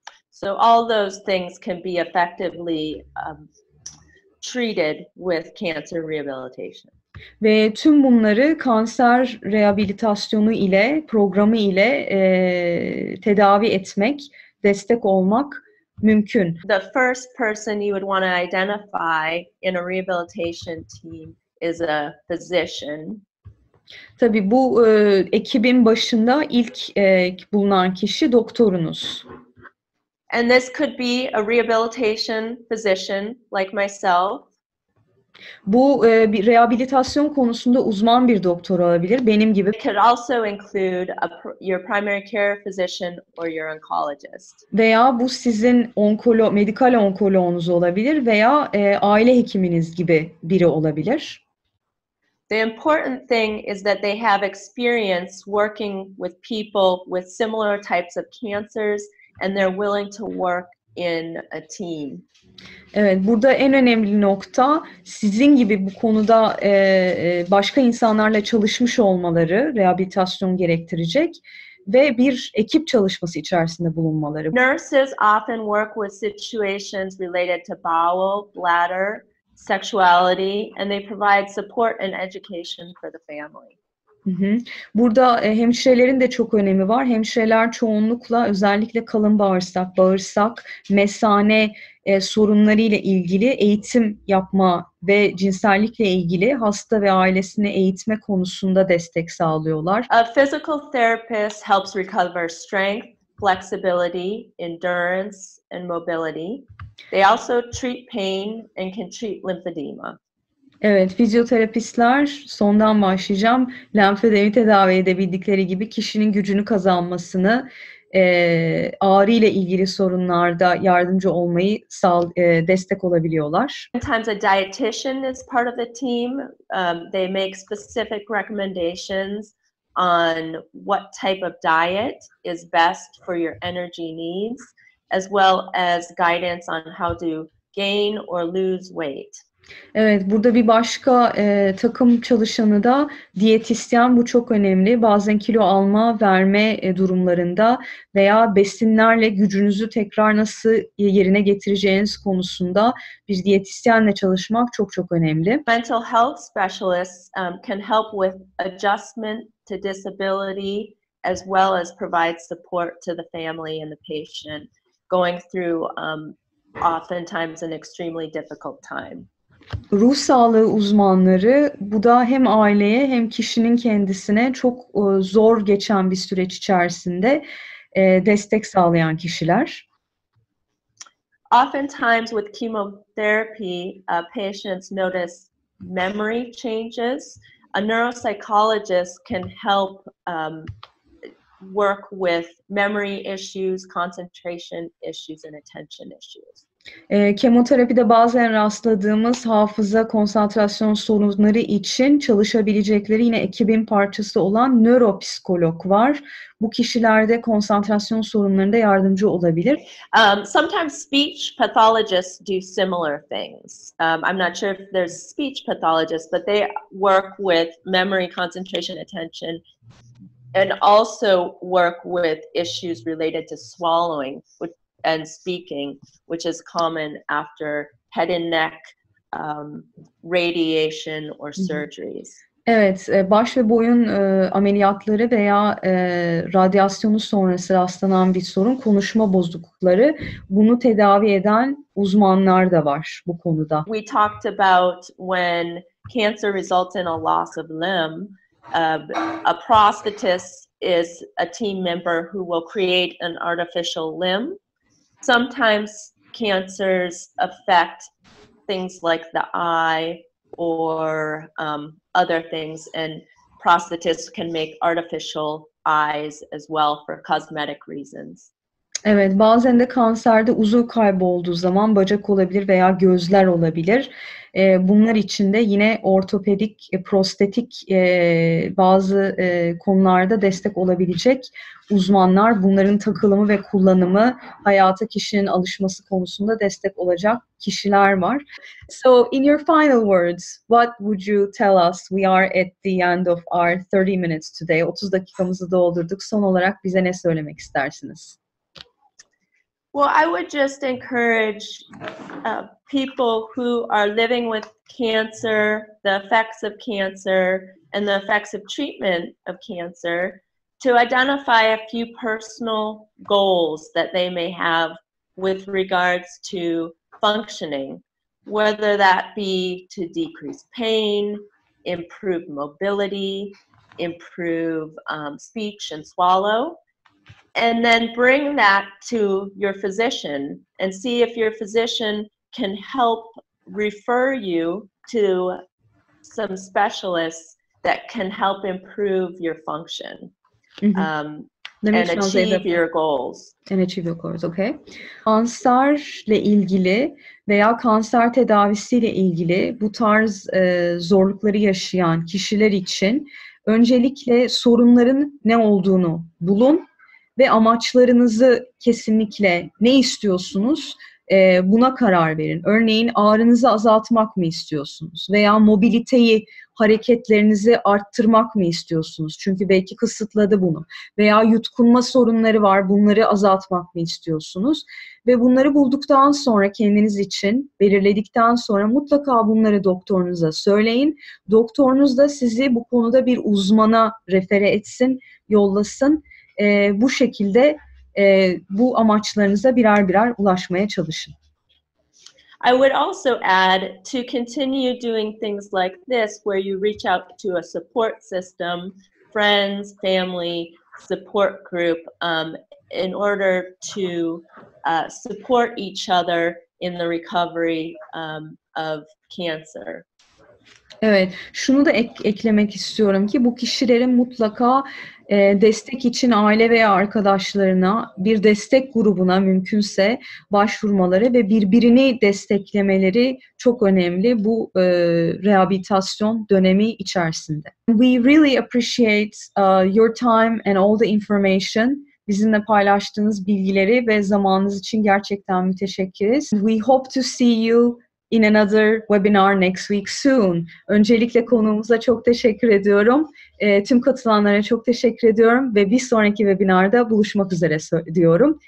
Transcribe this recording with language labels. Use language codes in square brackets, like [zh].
[en] So all those things can be effectively treated with cancer rehabilitation. [tr] Ve tüm bunları kanser rehabilitasyonu ile, programı ile tedavi etmek, destek olmak mümkün. [en] The first person you would want to identify in a rehabilitation team is a physician. [tr] Tabii bu ekibin başında ilk bulunan kişi doktorunuz. [en] And this could be a rehabilitation physician like myself. [tr] Bu bir rehabilitasyon konusunda uzman bir doktor olabilir, benim gibi. [en] It could also include your primary care physician or your oncologist. [tr] Veya bu sizin medikal onkoloğunuz olabilir veya aile hekiminiz gibi biri olabilir. [en] The important thing is that they have experience working with people with similar types of cancers and they're willing to work in a team. [tr] Evet, burada en önemli nokta sizin gibi bu konuda başka insanlarla çalışmış olmaları rehabilitasyon gerektirecek ve bir ekip çalışması içerisinde bulunmaları. [en] Nurses often work with situations related to bowel, bladder, sexuality and they provide support and education for the family. [tr] Burada hemşirelerin de çok önemi var. Hemşireler çoğunlukla özellikle kalın bağırsak, bağırsak, mesane sorunları ile ilgili eğitim yapma ve cinsellikle ilgili hasta ve ailesini eğitme konusunda destek sağlıyorlar. [en] A physical therapist helps recover strength, flexibility, endurance and mobility. They also treat pain and can treat lymphedema. [tr] Evet, fizyoterapistler, sondan başlayacağım, lenfedemi tedavi edebildikleri gibi kişinin gücünü kazanmasını, ağrı ile ilgili sorunlarda yardımcı olmayı destek olabiliyorlar. [en] Sometimes a dietitian is part of the team. They make specific recommendations on what type of diet is best for your energy needs, as well as guidance on how to gain or lose weight. [tr] Evet, burada bir başka takım çalışanı da diyetisyen. Bu çok önemli. Bazen kilo alma, verme durumlarında veya besinlerle gücünüzü tekrar nasıl yerine getireceğiniz konusunda bir diyetisyenle çalışmak çok çok önemli. [en] Mental health specialists can help with adjustment to disability as well as provide support to the family and the patient going through oftentimes an extremely difficult time. [tr] Ruh sağlığı uzmanları, bu da hem aileye hem kişinin kendisine çok zor geçen bir süreç içerisinde destek sağlayan kişiler. [en] Oftentimes with chemotherapy, patients notice memory changes. A neuropsychologist can help work with memory issues, concentration issues, and attention issues. [tr] Kemoterapide bazen rastladığımız hafıza konsantrasyon sorunları için çalışabilecekleri yine ekibin parçası olan nöropsikolog var. Bu kişilerde konsantrasyon sorunlarında yardımcı olabilir. [en] Sometimes speech pathologists do similar things. I'm not sure if there's speech pathologists, but they work with memory, concentration, attention and also work with issues related to swallowing, which and speaking, which is common after head and neck radiation or surgeries. [tr] Evet, baş ve boyun ameliyatları veya radyasyonu sonrası rastlanan bir sorun, konuşma bozuklukları. Bunu tedavi eden uzmanlar da var bu konuda. [en] We talked about when cancer results in a loss of limb, a prosthetist is a team member who will create an artificial limb. Sometimes cancers affect things like the eye or other things, and prosthetists can make artificial eyes as well for cosmetic reasons. [tr] Evet, bazen de kanserde uzuv kaybolduğu zaman bacak olabilir veya gözler olabilir. Bunlar için de yine ortopedik, prostetik bazı konularda destek olabilecek uzmanlar, bunların takılımı ve kullanımı, hayata kişinin alışması konusunda destek olacak kişiler var. [en] So, in your final words, what would you tell us? We are at the end of our 30 minutes today. [tr] 30 dakikamızı doldurduk. Son olarak bize ne söylemek istersiniz? [en] Well, I would just encourage people who are living with cancer, the effects of cancer, and the effects of treatment of cancer to identify a few personal goals that they may have with regards to functioning, whether that be to decrease pain, improve mobility, improve speech and swallow. And then bring that to your physician and see if your physician can help refer you to some specialists that can help improve your function, Let me and translate achieve that. your goals. And achieve your goals, okay? [tr] Kanserle ilgili veya kanser tedavisiyle ilgili bu tarz zorlukları yaşayan kişiler için öncelikle sorunların ne olduğunu bulun ve amaçlarınızı kesinlikle ne istiyorsunuz buna karar verin. Örneğin ağrınızı azaltmak mı istiyorsunuz veya mobiliteyi hareketlerinizi arttırmak mı istiyorsunuz? Çünkü belki kısıtladı bunu. Veya yutkunma sorunları var, bunları azaltmak mı istiyorsunuz? Ve bunları bulduktan sonra kendiniz için belirledikten sonra mutlaka bunları doktorunuza söyleyin. Doktorunuz da sizi bu konuda bir uzmana refere etsin, yollasın. Bu şekilde bu amaçlarınıza birer birer ulaşmaya çalışın. [en] I would also add to continue doing things like this, where you reach out to a support system, friends, family, support group, in order to support each other in the recovery of cancer. [tr] Evet, şunu da eklemek istiyorum ki bu kişilerin mutlaka destek için aile veya arkadaşlarına, bir destek grubuna mümkünse başvurmaları ve birbirini desteklemeleri çok önemli bu rehabilitasyon dönemi içerisinde. [en] We really appreciate your time and all the information. [tr] Bizimle paylaştığınız bilgileri ve zamanınız için gerçekten müteşekkiriz. [en] We hope to see you in another webinar next week soon. [tr] Öncelikle konuğumuza çok teşekkür ediyorum. Tüm katılanlara çok teşekkür ediyorum ve bir sonraki webinarda buluşmak üzere diyorum.